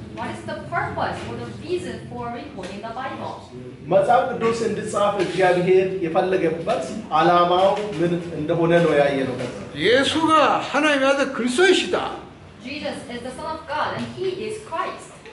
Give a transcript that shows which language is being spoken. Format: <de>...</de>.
<en>What is the purpose or the reason for recording the Bible?</en> <am>መጽሐፍ ቅዱስ እንድጻፍ እግዚአብሔር የፈለገበት ዓላማው ምን እንደሆነ ነው ያየነው። ኢየሱስ ሐናይ ማለት ክርስቶስ ይሽታ</am> <en>Jesus is the son of God and he is Christ.</en>